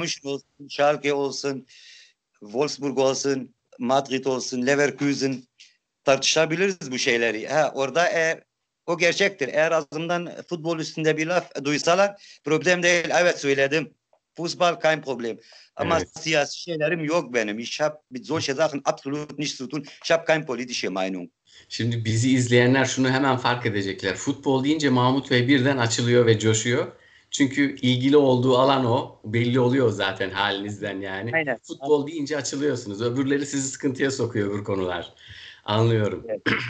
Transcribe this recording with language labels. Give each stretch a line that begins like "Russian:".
Turkish: München olsun, Schalke olsun, Wolfsburg olsun, Madrid olsun, Leverkusen tartışabiliriz bu şeyleri. Ha, orada eğer O gerçektir. Eğer ağzımdan futbol üstünde bir laf duysalar problem değil. Evet söyledim. Futbol
German: kein problem.
Turkish: Ama evet, siyasi şeylerim yok benim.
German: Ich hab mit solche Sachen absolut nichts zu tun. Ich hab kein politische Meinung.
Turkish: Şimdi bizi izleyenler şunu hemen fark edecekler. Futbol deyince Mahmut Bey birden açılıyor ve coşuyor. Çünkü ilgili olduğu alan o. Belli oluyor zaten halinizden yani. Aynen. Futbol deyince açılıyorsunuz. Öbürleri sizi sıkıntıya sokuyor öbür konular. Anlıyorum. Evet.